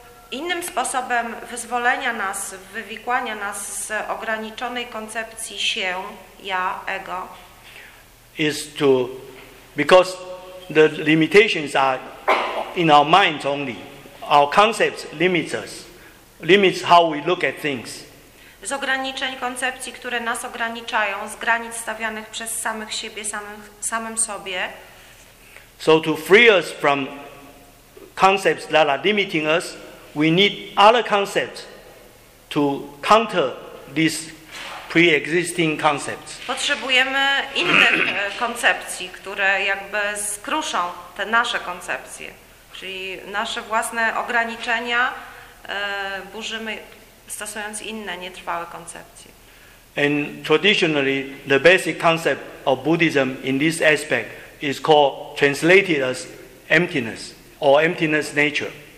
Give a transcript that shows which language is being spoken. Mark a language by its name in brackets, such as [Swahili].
[Polish] Innym sposobem wyzwolenia nas, wywikłania nas z ograniczonej koncepcji się, ja, ego, [English] is to, because the limitations are in our minds only. Our concepts limit us, limits how we look at things. [Polish] Z ograniczeń koncepcji, które nas ograniczają, z granic stawianych przez samych siebie, samym sobie. [English] So to free us from concepts that are limiting us, we need other concepts to counter these pre-existing concepts. [Polish] Potrzebujemy innych koncepcji, które jakby skruszą te nasze koncepcje. Czyli nasze własne ograniczenia burzymy stosując inne nietrwałe koncepcje. [English] And traditionally the basic concept of Buddhism in this aspect is called translated as emptiness or emptiness nature.